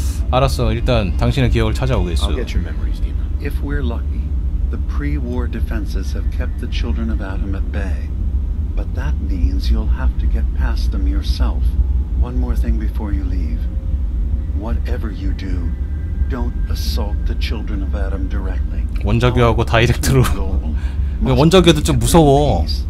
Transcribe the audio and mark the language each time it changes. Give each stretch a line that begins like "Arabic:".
Korean: 알았어. 일단 당신의 기억을 찾아오겠어.
English: If we're lucky, the pre-war defenses have kept the children of Adam at bay. But that means you'll have to get past them yourself. One more thing before you leave. Whatever you do, don't assault the children of Adam directly.
Korean: 원자교하고 다이렉트로. 원자교도 좀 무서워.